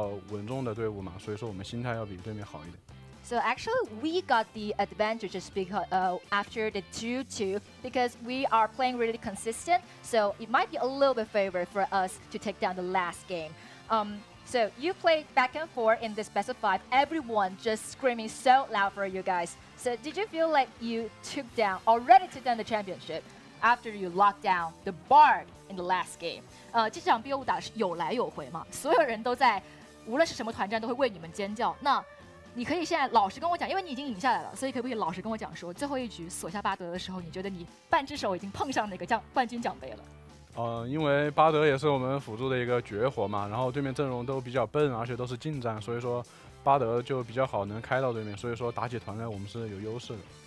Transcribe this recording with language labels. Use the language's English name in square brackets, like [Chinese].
[Chinese] 因为我们前面四局打完2-2的话，其实对我们是有优势的，因为第五局很考验选手的心态，然后我们都是比较稳重的队伍嘛，所以说我们心态要比对面好一点。 [English] So actually, we got the advantage just because after the 2-2, because we are playing really consistent, so it might be a little bit favored for us to take down the last game. So you played back and forth in this best of five. Everyone just screaming so loud for you guys. So did you feel like you already took down the championship after you locked down the Bard in the last game? [Chinese] 这场 BO5打是有来有回嘛，所有人都在无论是什么团战都会为你们尖叫。那你可以现在老实跟我讲，因为你已经赢下来了，所以可不可以老实跟我讲说最后一局索下巴德的时候，你觉得你半只手已经碰上那个冠军奖杯了？因为巴德也是我们辅助的一个绝活嘛，然后对面阵容都比较笨，而且都是近战，所以说巴德就比较好能开到对面，所以说打起团来我们是有优势的。